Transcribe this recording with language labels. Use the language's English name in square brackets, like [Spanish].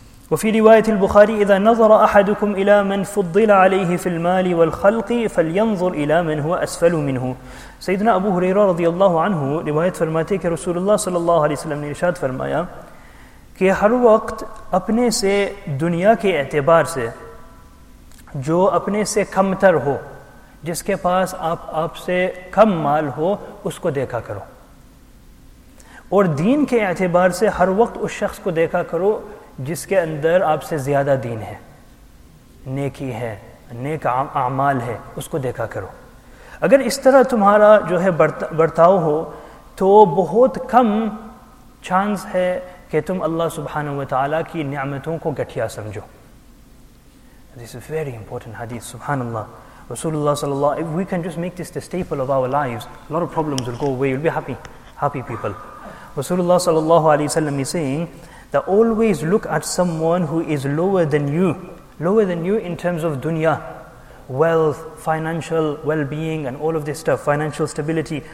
[Arabic] وفي رواية البخاري إذا نظر أحدكم إلى من فضل عليه في المال والخلق فلينظر إلى من هو أسفل منه. [Urdu] سيدنا أبو هريرة رضي الله عنه رواية فرماتے کہ رسول الله صلى الله عليه وسلم نے ارشاد فرمایا کہ ہر وقت اپنے سے دنیا کے اعتبار سے جو اپنے سے کم تر ہو جس کے پاس آپ سے کم مال ہو اس کو دیکھا کرو اور دین کے اعتبار سے ہر وقت اس شخص کو دیکھا کرو جس کے اندر آپ سے زیادہ دین ہے نیکی ہے نیک اعمال ہے اس کو دیکھا کرو اگر اس طرح تمہارا جو ہے برتاؤ ہو تو بہت کم چانس ہے کہ تم اللہ سبحانہ وتعالی کی نعمتوں کو گٹھیا سمجھو. [English] This is a very important hadith, subhanAllah. Rasulullah sallallahu, if we can just make this the staple of our lives, a lot of problems will go away, we'll be happy, happy people. Rasulullah sallallahu alayhi wa sallam is saying that always look at someone who is lower than you in terms of dunya, wealth, financial well-being and all of this stuff, financial stability.